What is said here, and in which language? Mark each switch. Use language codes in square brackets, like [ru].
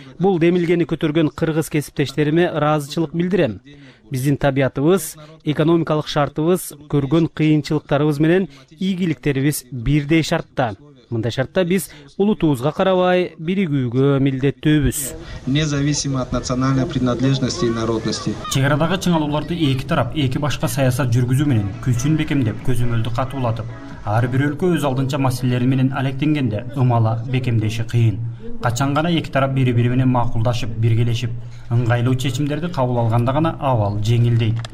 [ky] Бул демилгени көтөргөн кыргыз кесиптештериме ыраазычылык билдирем. Биздин табиятыбыз, экономикалык шартыбыз, көргөн кыйынчылыктарыбыз менен ийгиликтерибиз бирдей шартта. Мындай шартта биз улутубузга карабай биригүүгө милдеттүүбүз. [ru] Независимо от национальной принадлежности и народности. [ky] Чек арадагы чыңалууларды эки тарап, эки башка саясат жүргүзүү менен күчүн бекемдеп, көзөмөлдү катуулатып, ар бир өлкө өз алдынча маселелери менен алектенгенде ымала бекемдеши кыйын. Качан гана эки тарап бири бири менен макулдашып, биргелешип, ыңгайлуу чечимдерди кабыл алганда гана абал жеңилдейт.